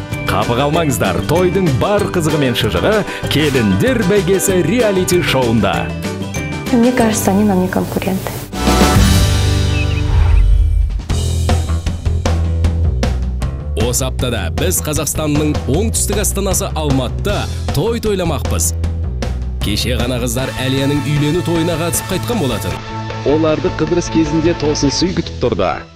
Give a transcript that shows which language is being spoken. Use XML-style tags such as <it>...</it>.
<kk>Қапы қалмаңыздар, тойдың бар қызығы мен шыжығы келіндер бәйгесі реалити шоуында.</kk> <ru>Мне кажется, они нам не конкуренты.</ru> <kk>Осы аптада біз Қазақстанның оңтүстік астанасы Алматыда той тойламақпыз. Кеше ғана қыздар Әлияның үйлену тойына қатысып қайтқан болатын. Оларды қыдырыс кезінде тосын сый күтіп тұрды.</kk>